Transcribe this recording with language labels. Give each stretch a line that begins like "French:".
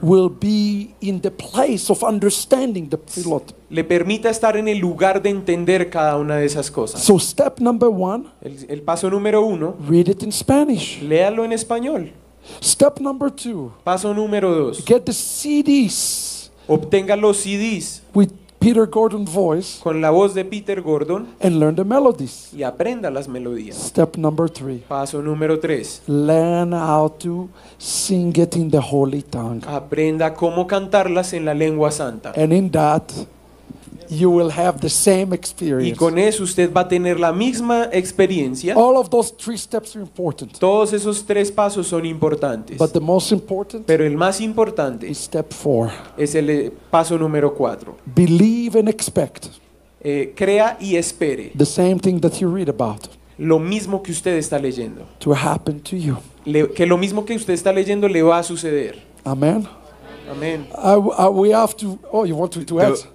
English: will be in the place of understanding the plot.
Spanish: Le permita estar en el lugar de entender cada una de esas cosas.
English: So step number one,
Spanish: el paso número uno,
English: read it in Spanish.
Spanish: Léalo en español.
English: Step number two.
Spanish: Paso número dos.
English: Get the CDs.
Spanish: Obtenga los CDs.
English: With Peter Gordon voice.
Spanish: Con la voz de Peter Gordon.
English: And learn the melodies.
Spanish: Y aprenda las melodías.
English: Step number three.
Spanish: Paso número tres.
English: Learn how to sing it in the holy tongue.
Spanish: Aprenda cómo cantarlas en la lengua santa.
English: And in that, you will have the same experience.
Spanish: Y con eso usted va a tener la misma experiencia.
English: All of those three steps are important.
Spanish: Todos esos tres pasos son importantes.
English: But the most important.
Spanish: Pero el más importante.
English: Is step four.
Spanish: Es el paso número cuatro.
English: Believe and expect.
Spanish: Crea y espere.
English: The same thing that you read about.
Spanish: Lo mismo que usted está leyendo.
English: To happen to you.
Spanish: Que lo mismo que usted está leyendo le va a suceder.
English: Amen.
Spanish: Amen.
English: We have to. Oh, you want to add?